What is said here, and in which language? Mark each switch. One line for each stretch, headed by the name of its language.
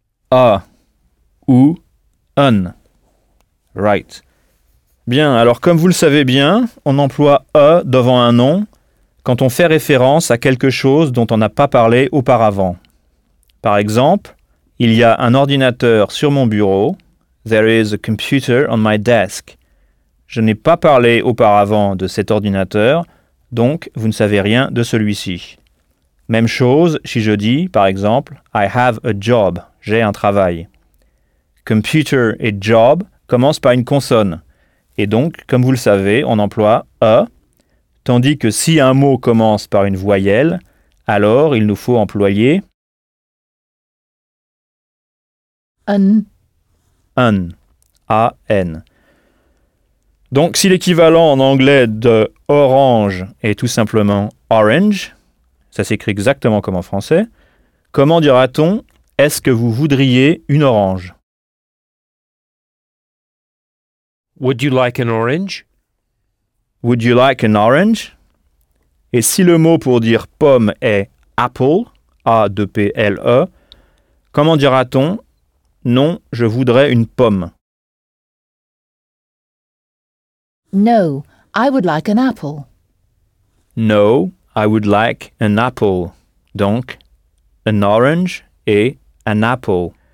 French: A ou un. Right. Bien, alors comme vous le savez bien, on emploie a devant un nom quand on fait référence à quelque chose dont on n'a pas parlé auparavant. Par exemple, il y a un ordinateur sur mon bureau.
English: There is a computer on my desk.
French: Je n'ai pas parlé auparavant de cet ordinateur, donc vous ne savez rien de celui-ci. Même chose si je dis, par exemple,
English: I have a job,
French: j'ai un travail. Computer et job commencent par une consonne. Et donc, comme vous le savez, on emploie e, tandis que si un mot commence par une voyelle, alors il nous faut employer un.
English: an, an.
French: Donc, si l'équivalent en anglais de orange est tout simplement orange, ça s'écrit exactement comme en français, comment dira-t-on est-ce que vous voudriez une orange?
English: Would you like an orange? Would you like an orange?
French: Et si le mot pour dire pomme est apple, A-P-P-L-E, comment dira-t-on non, je voudrais une pomme?
English: No, I would like an apple. No, I would like an apple. Donc, an orange et an apple.